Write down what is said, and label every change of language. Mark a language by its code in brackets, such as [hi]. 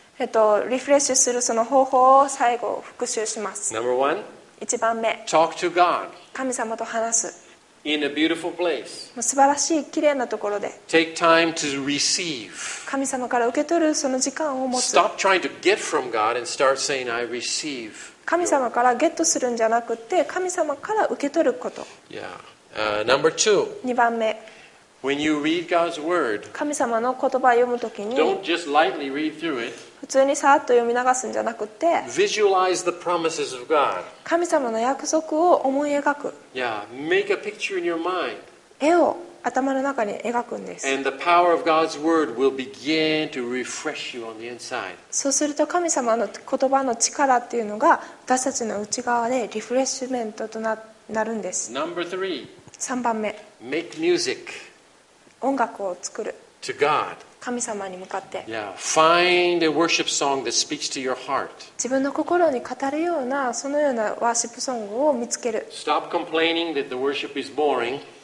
[ja] リフレッシュするその方法を最後復習します。 [en] Number one. [ja] 一番目。 [en] Talk to God. [ja] 神様と話す。 [en] In a beautiful place. [ja] 素晴らしい綺麗なところで。 [en] Take time to receive. [ja] 神様から受け取るその時間を持つ。 [en] Stop trying to get from God and start saying, "I receive." [ja] 神様からゲットするんじゃなくて神様から受け取ること。 [en] Number two. [ja] 2番目。 [en] When you read God's word, [ja] 神様の言葉を読むときに、 [en] don't just lightly read through it. [ja] 普通にさっと読み流すんじゃなくて、 [en] visualize the promises of God. [ja] 神様の約束を思い描く。 [en] Yeah, make a picture in your mind. [ja] 絵を頭の中に描くんです。 [en] And the power of God's word will begin to refresh you on the inside. [ja] そうすると神様の言葉の力っていうのが私たちの内側でリフレッシュメントとなるんです。 [en] Number three. [ja] 三番目。 [en] Make music. [ja] 音楽を作る。 [en] To God. [ja] 神様に向かって。 [en] Yeah. Find a worship song that speaks to your heart. [ja] 自分の心に語るようなそのようなワーシップソングを見つける。 [en] Stop complaining that the worship is boring.